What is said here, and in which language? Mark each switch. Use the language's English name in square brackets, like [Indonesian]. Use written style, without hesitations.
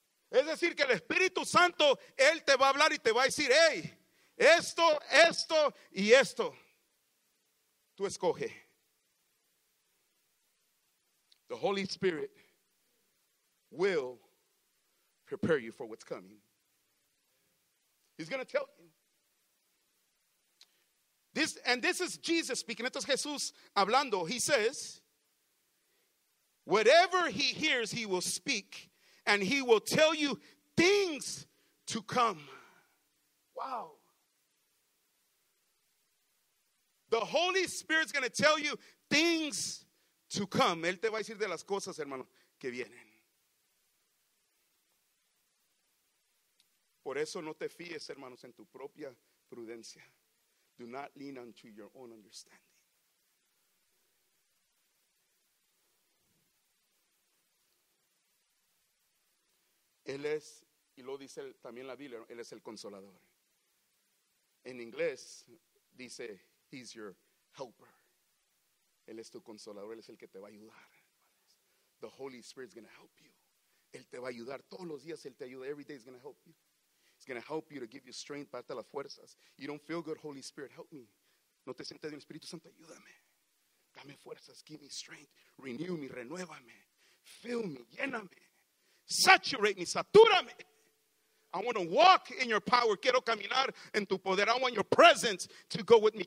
[Spanish] Es decir, que el Espíritu Santo, Él te va a hablar y te va a decir, hey, esto, esto y esto. Tú escoge. [English] The Holy Spirit will prepare you for what's coming. He's going to tell you. This is Jesus speaking. [Spanish] Esto es Jesús hablando. [English] He says, whatever He hears, He will speak, and He will tell you things to come. Wow. The Holy Spirit's going to tell you things to come. [Spanish] Él te va a decir de las cosas, hermano, que vienen. Por eso no te fíes, hermanos, en tu propia prudencia. [English] Do not lean unto your own understanding. [Spanish] Él es, y lo dice también la Biblia, Él es el Consolador. En inglés dice, [English] He's your helper. [Spanish] Él es tu Consolador, Él es el que te va a ayudar. [English] The Holy Spirit is going to help you. [Spanish] Él te va a ayudar todos los días. Él te ayuda. [English] Every day is going to help you. It's going to help you to give you strength, [Spanish] para darte las fuerzas. [English] You don't feel good, Holy Spirit, help me. [Spanish] No te sientes bien, Espíritu Santo, ayúdame. Dame fuerzas, [English] give me strength. Renew me, [Spanish] renuévame. [English] Fill me, [Spanish] lléname. [English] Saturate me, [Spanish] satúrame. [English] I want to walk in your power. [Spanish] Quiero caminar en tu poder. [English] I want your presence to go with me.